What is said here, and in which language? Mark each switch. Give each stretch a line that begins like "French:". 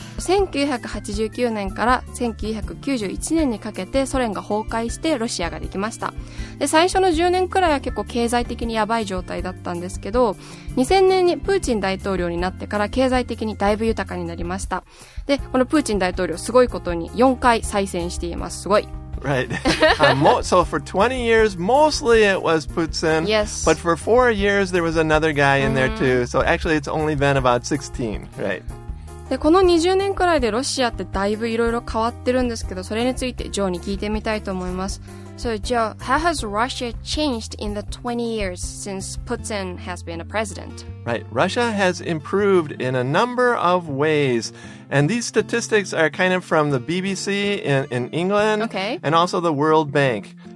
Japanese: 1989年から1991年にかけてソ連が崩壊してロシアができました。で、最初の10年くらいは結構経済的にやばい状態だったんですけど、2000年にプーチン大統領になってから経済的にだいぶ豊かになりました。で、このプーチン大統領すごいことに4回再選しています。すごい。
English: Right. So for 20 years, mostly it was Putin. Yes. But for 4 years, there was another guy in there too. So actually, it's only been about 16. Right.
Japanese: で、この20年くらいでロシアってだいぶいろいろ変わってるんですけど、それについてジョーに聞いてみたいと思います。
English: So Joe, how has Russia changed in the 20 years since Putin has been a president? Right. Russia has improved in a number of ways. And these statistics are kind of from the BBC in England. Okay. And also the World Bank.